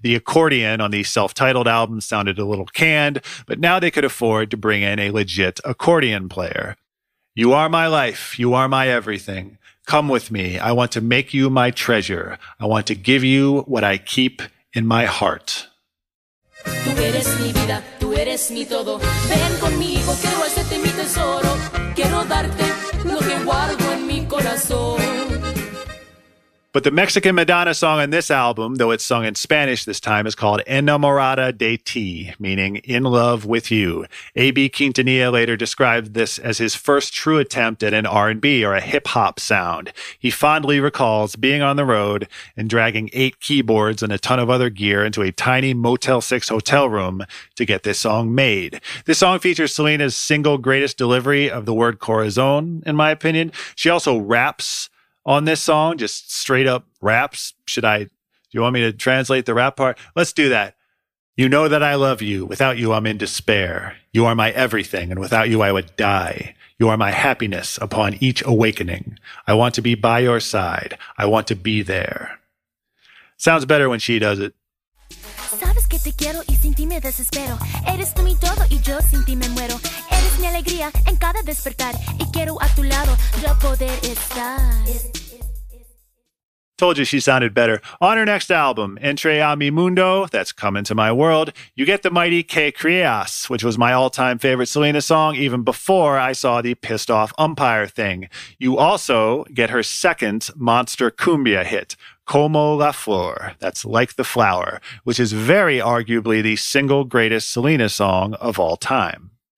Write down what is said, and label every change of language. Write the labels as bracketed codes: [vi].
[en] The accordion on the self-titled album sounded a little canned, but now they could afford to bring in a legit accordion player. You are my life. You are my everything. Come with me. I want to make you my treasure. I want to give you what I keep in my heart. [es] Tú eres mi vida. Tú eres mi todo. Ven conmigo. Quiero hacerte mi tesoro. Quiero darte lo que guardo en mi corazón. [en] But the Mexican Madonna song on this album, though it's sung in Spanish this time, is called Enamorada de Ti, meaning In Love With You. A.B. Quintanilla later described this as his first true attempt at an R&B or a hip-hop sound. He fondly recalls being on the road and dragging 8 keyboards and a ton of other gear into a tiny Motel 6 hotel room to get this song made. This song features Selena's single greatest delivery of the word corazón, in my opinion. She also raps on this song, just straight up raps. Do you want me to translate the rap part? Let's do that. You know that I love you. Without you, I'm in despair. You are my everything, and without you, I would die. You are my happiness upon each awakening. I want to be by your side. I want to be there. Sounds better when she does it. [es] Sabes que te quiero y sin ti me desespero. Eres tú mi todo y yo sin ti me muero. Eres mi alegría en cada despertar y quiero a tu lado yo poder estar. [en] Told you she sounded better. On her next album, Entre a mi Mundo, that's Come Into My World, you get the mighty Que Creas, which was my all-time favorite Selena song even before I saw the pissed-off umpire thing. You also get her second monster cumbia hit, Como La Flor, that's Like the Flower, which is very arguably the single greatest Selena song of all time.